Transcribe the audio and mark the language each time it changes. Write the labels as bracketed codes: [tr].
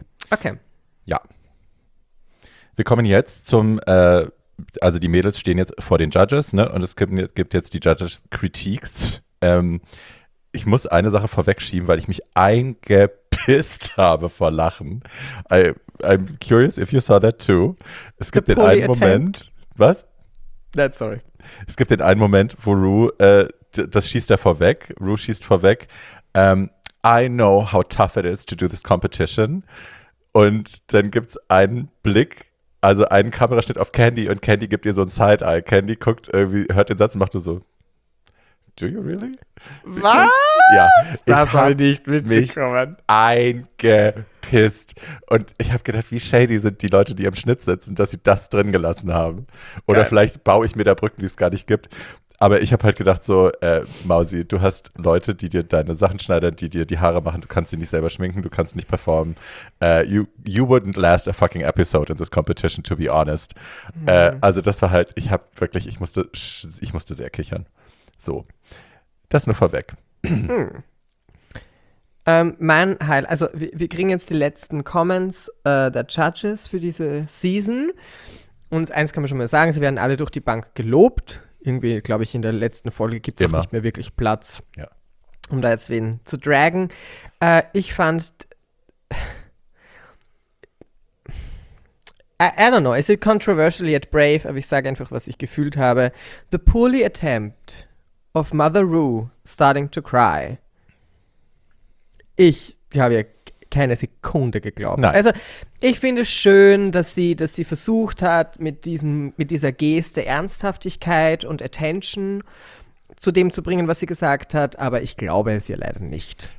[de] Okay. Ja. Wir kommen jetzt zum, also die Mädels stehen jetzt vor den Judges, ne, und es gibt jetzt die Judges-Critiques. Ich muss eine Sache vorwegschieben, weil ich mich eingepisst habe vor Lachen. [en] I'm curious if you saw that too. [de] Es gibt den einen Moment. Was? [en] That's sorry. [de] Es gibt den einen Moment, wo Rue schießt vorweg. [en] I know how tough it is to do this competition. [de] Und dann gibt's einen Blick, also einen Kameraschnitt auf Candy und Candy gibt ihr so ein Side-Eye. Candy guckt irgendwie, hört den Satz und macht nur so. [en] Do you really? [de] Was? Ja, das ich habe nicht mitbekommen. Eingepisst. Und ich habe gedacht, wie shady sind die Leute, die im Schnitt sitzen, dass sie das drin gelassen haben. Oder geil. Vielleicht baue ich mir da Brücken, die es gar nicht gibt. Aber ich habe halt gedacht so, Mausi, du hast Leute, die dir deine Sachen schneiden, die dir die Haare machen. Du kannst sie nicht selber schminken, du kannst nicht performen. [en] You wouldn't last a fucking episode in this competition, to be honest. [de] Also das war halt, ich musste sehr kichern. So, das nur vorweg. Mein Heil, also wir kriegen jetzt die letzten Comments der Judges für diese Season. Und eins kann man schon mal sagen, sie werden alle durch die Bank gelobt. Irgendwie, glaube ich, in der letzten Folge gibt es auch nicht mehr wirklich Platz, ja, um da jetzt wen zu dragen. Ich fand, [en] I don't know, is it controversial yet brave? [de] Aber ich sage einfach, was ich gefühlt habe. [en] The poorly attempt of Mother Rue starting to cry. [de] Ich habe ja keine Sekunde geglaubt. Nein. Also ich finde es schön, dass sie versucht hat, mit dieser Geste Ernsthaftigkeit und Attention zu dem zu bringen, was sie gesagt hat. Aber ich glaube es ihr leider nicht.